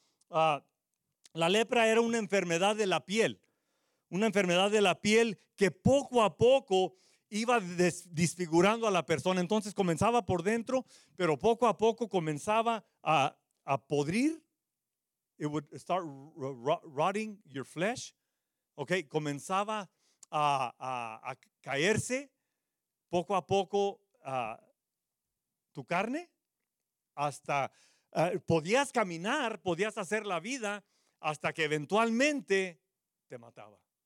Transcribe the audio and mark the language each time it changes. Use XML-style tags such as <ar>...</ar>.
<es>La lepra era una enfermedad de la piel. Una enfermedad de la piel que poco a poco iba disfigurando a la persona. Entonces comenzaba por dentro, pero poco a poco comenzaba a podrir.</es> <en>It would start rotting your flesh.</en> <es>Okay, comenzaba a caerse poco a poco tu carne hasta podías caminar, podías hacer la vida hasta que eventualmente te mataba.</es>